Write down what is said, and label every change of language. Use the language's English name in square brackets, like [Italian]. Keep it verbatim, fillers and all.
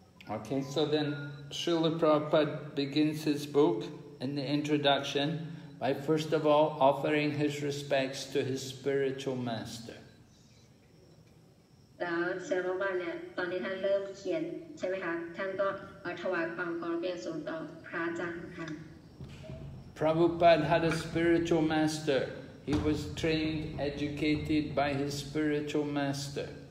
[English] Okay, so then Srila Prabhupada begins his book in the introduction. By first of all offering his respects to his spiritual master. [Thai] แล้วเซโรบาเนี่ยตอนที่ท่านเริ่มเขียนใช่ไหมคะท่านก็ถวายความเคารพอย่างสูงต่อพระอาจารย์ค่ะ [English] Prabhupada had a spiritual master. He was trained, educated by his spiritual master.